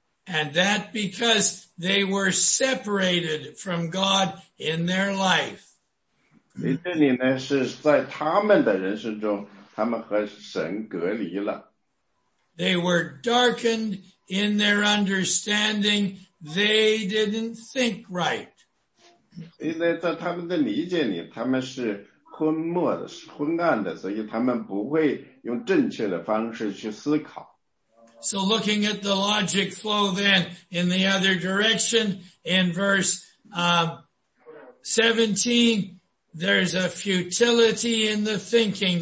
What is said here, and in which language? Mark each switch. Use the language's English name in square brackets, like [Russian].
[English] And that because they were separated from God in their life. [Chinese] 所以这里呢，是在他们的人生中，他们和神隔离了。 [English] They were darkened in their understanding. They didn't think right. [Chinese] 所以呢，在他们的理解里，他们是昏暗的，所以他们不会用正确的方式去思考。 [English] So looking at the logic flow then in the other direction in verse 17, there's a futility in the thinking.